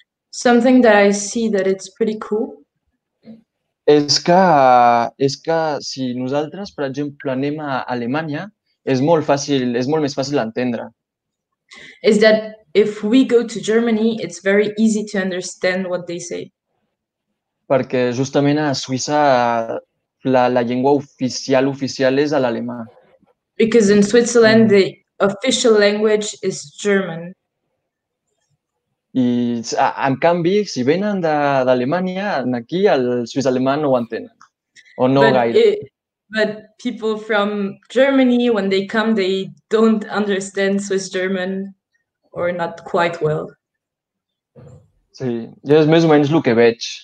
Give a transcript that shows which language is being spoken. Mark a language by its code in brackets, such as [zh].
[en] Something that I see that it's pretty cool. [ca] És que si nosaltres, per exemple, anem a Alemanya, és molt més fàcil entendre. [en] Is that if we go to Germany, it's very easy to understand what they say. [ca] Perquè justament a Suïssa la llengua oficial és l'alemà. [en] Because in Switzerland, the official language is German. [ca] I, en canvi, si venen d'Alemanya, aquí el suís alemà no ho entenen, o no gaire. [en] But people from Germany, when they come, they don't understand Swiss German, or not quite well. [ca] Sí, és més o menys el que veig.